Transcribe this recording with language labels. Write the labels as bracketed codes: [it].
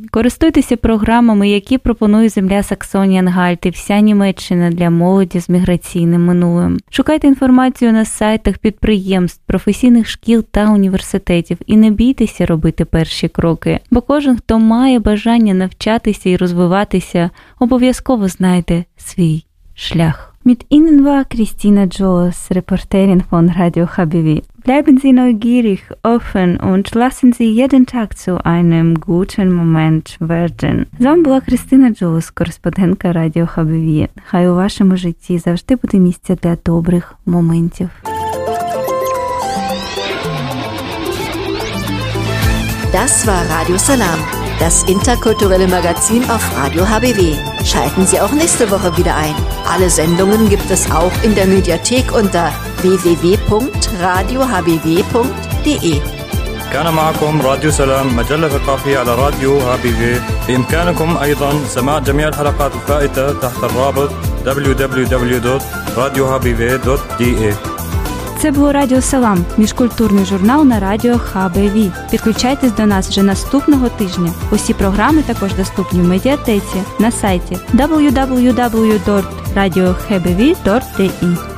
[uk] Користуйтеся програмами, які пропонує земля Саксонія-Анхальт і вся Німеччина для молоді з міграційним минулим. Шукайте інформацію на сайтах підприємств, професійних шкіл та університетів і не бійтеся робити перші кроки, бо кожен, хто має бажання навчатися і розвиватися, обов'язково знайде свій шлях. [de] Mit Ihnen war Christina Joos, Reporterin von Radio HBW. Bleiben Sie neugierig, offen und lassen Sie jeden Tag zu einem guten Moment werden. [uk] З вами була Christina Joos, кореспондентка Radio HBW. Хай у вашому житті завжди буде місце для добрих моментів. [de] Das war Radio Salam, das interkulturelle Magazin auf Radio HBW. Schalten Sie auch nächste Woche wieder ein. Alle Sendungen gibt es auch in der Mediathek unter www.radiohbw.de. [ar] كان معكم راديو سلام مجلة ثقافية على راديو HBW. بإمكانكم أيضا سماع جميع الحلقات الفائتة تحت الرابط www.radiohbw.de. [uk] Це було Радіо Салам, міжкультурний журнал на радіо HBW. Підключайтесь до нас вже наступного тижня. Усі програми також доступні в медіатеці на сайті www.radiohbw.de.